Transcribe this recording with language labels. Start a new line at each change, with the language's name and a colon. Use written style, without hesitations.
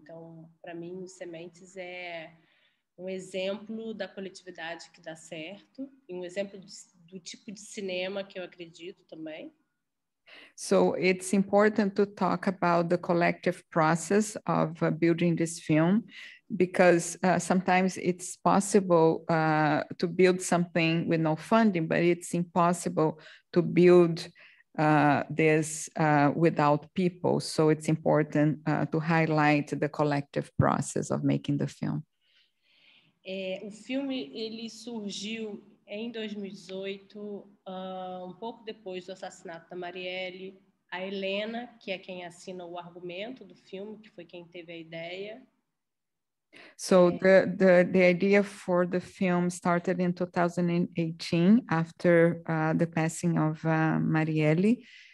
Portuguese: Então, para mim, o Sementes é um exemplo da coletividade que dá certo e um exemplo do tipo de cinema que eu acredito também.
English: So, it's important to talk about the collective process of building this film, because sometimes it's possible to build something with no funding, but it's impossible to build this without people, so it's important to highlight the collective process of making the film.
Portuguese: O filme ele surgiu em 2018, um pouco depois do assassinato da Marielle. A Helena, que é quem assina o argumento do filme, que foi quem teve a ideia.
English: So the idea for the film started in 2018 after the passing of Marielle,